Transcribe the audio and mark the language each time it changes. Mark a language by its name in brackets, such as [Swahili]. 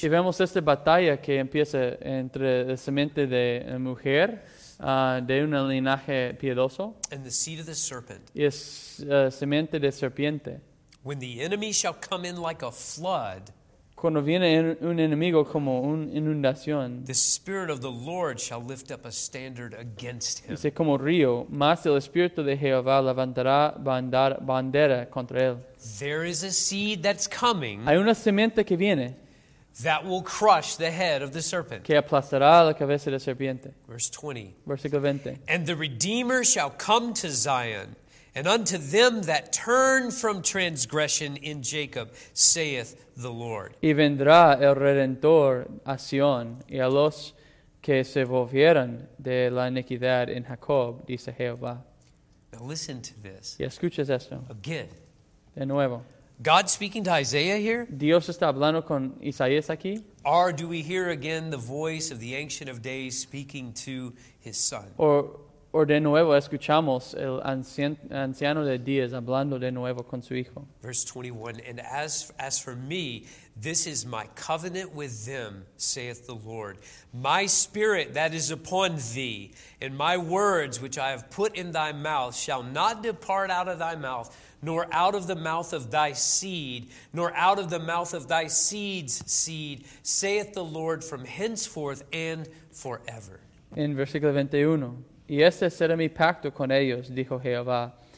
[Spanish] Y vemos esta batalla que empieza entre la simiente de la mujer, de un linaje piedoso. [English] And the seed of the serpent. [Spanish] Y es simiente de serpiente. [English] When the enemy shall come in like a flood. [Spanish] Cuando viene un enemigo como una inundación. [English] The Spirit of the Lord shall lift up a standard against him. [Spanish] Dice como río, mas el Espíritu de Jehová levantará bandera contra él. [English] There is a seed that's coming. [Spanish] Hay una semente que viene. [English] That will crush the head of the serpent. [Spanish] Que aplastará la cabeza de serpiente. [English] Verse 20. [Spanish] Versículo 20. [English] And the Redeemer shall come to Zion, and unto them that turn from transgression in Jacob, saith the Lord. [Spanish] Y vendrá el Redentor a Sion, y a los que se volvieran de la iniquidad en Jacob, dice Jehová. [English] Now listen to this. [Spanish] Y escuches esto. [English] Again. [Spanish] De nuevo. [English] God speaking to Isaiah here. [Spanish] Dios está hablando con Isaías aquí. [English] Or do we hear again the voice of the Ancient of Days speaking to his son? [Spanish] O de nuevo escuchamos el anciano de días hablando de nuevo con su hijo. [English] Verse 21, and as for me, this is my covenant with them, saith the Lord. My spirit that is upon thee, and my words which I have put in thy mouth, shall not depart out of thy mouth, nor out of the mouth of thy seed, nor out of the mouth of thy seed's seed, saith the Lord, from henceforth and forever. [Spanish] En versículo 21, y este será mi pacto con ellos, dijo Jehová.